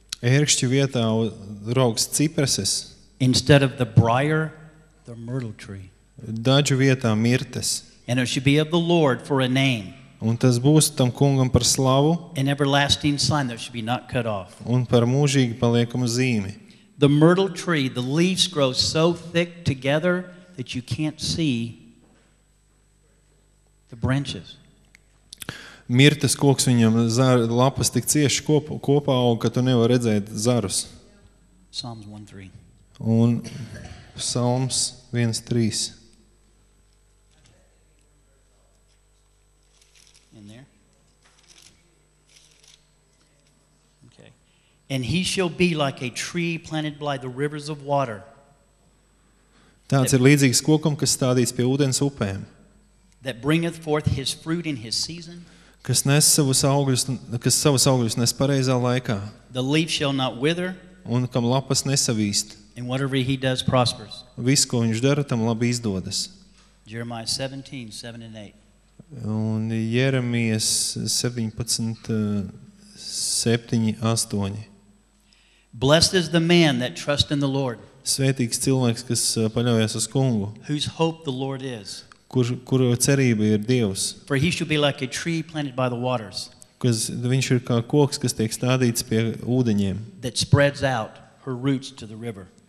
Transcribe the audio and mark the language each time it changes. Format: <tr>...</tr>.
<lv>Ērkšķu vietā raugs cipreses.</lv> <en>Instead of the briar, the myrtle tree.</en> <lv>Dadžu vietā mirtes.</lv> <en>And it should be of the Lord for a name.</en> <lv>Un tas būs tam kungam par slavu.</lv> <en>An everlasting sign that should be not cut off.</en> <lv>Un par mūžīgi paliekamu zīmi.</lv> <en>The myrtle tree, the leaves grow so thick together that you can't see the branches.</en> <lv>Mirtes koks viņam lapas tik cieši kopā aug, ka tu nevar redzēt zarus.</lv> <en>Psalms 1:3.</en> <lv>Un Psalms 1:3.</lv> <en>And he shall be like a tree planted by the rivers of water.</en> <lv>Tāds ir līdzīgs kokam, kas stādīts pie ūdens upēm.</lv> <en>That bringeth forth his fruit in his season.</en> <lv>Kas savus augļus nes pareizā laikā.</lv> <en>The leaf shall not wither.</en> <lv>Un kam lapas nesavīst.</lv> <en>And whatever he does prospers.</en> <lv>Viss, ko viņš dara, tam labi izdodas.</lv> <en>Jeremiah 17:7-8.</en> <lv>Un Jeremijas 17:7-8.</lv> <en>Blessed is the man that trusts in the Lord.</en> <lv>Svētīgs cilvēks, kas paļaujas uz Kungu.</lv> <en>Whose hope the Lord is.</en> <lv>Kuru cerība ir Dievs.</lv> <en>For he shall be like a tree planted by the waters.</en> <lv>Kas viņš ir kā koks, kas tiek stādīts pie ūdeņiem.</lv> <en>That spreads out her roots to the river.</en>